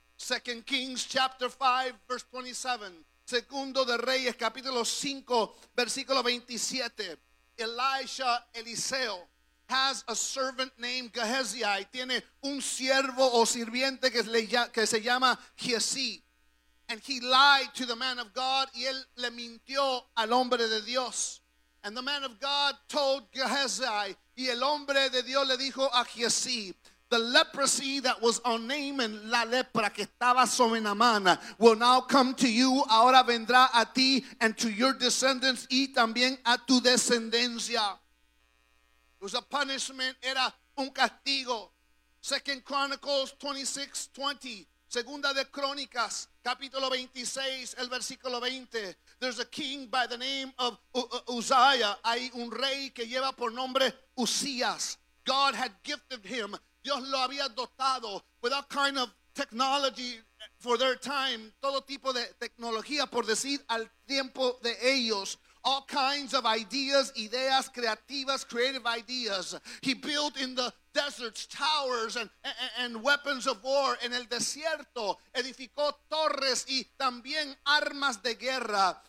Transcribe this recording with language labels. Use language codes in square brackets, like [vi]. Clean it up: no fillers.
[en] 2 Kings chapter 5 verse 27. [es] Segundo de Reyes capítulo 5 versículo 27. [en] Elisha, Eliseo, has a servant named Gehazi. [es] Y tiene un siervo o sirviente que se llama Gehazi. [en] And he lied to the man of God. [es] Y él le mintió al hombre de Dios. [en] And the man of God told Gehazi. [es] Y el hombre de Dios le dijo a Gehazi, [en] the leprosy that was on Naaman, [es] la lepra que estaba sobre Naaman, [en] will now come to you, [es] ahora vendrá a ti, [en] and to your descendants, [es] y también a tu descendencia. [en] It was a punishment, [es] era un castigo. [en] 2 Chronicles 26, 20, [es] Segunda de Crónicas, capítulo 26, el versículo 20. [en] There's a king by the name of Uzziah. [es] Hay un rey que lleva por nombre Uzzías. [en] God had gifted him. [es] Dios lo había dotado [en] with all kind of technology for their time. [es] Todo tipo de tecnología, por decir, al tiempo de ellos. [en] All kinds of ideas, [es] ideas creativas, [en] creative ideas. He built in the deserts towers and weapons of war. [es] En el desierto edificó torres y también armas de guerra.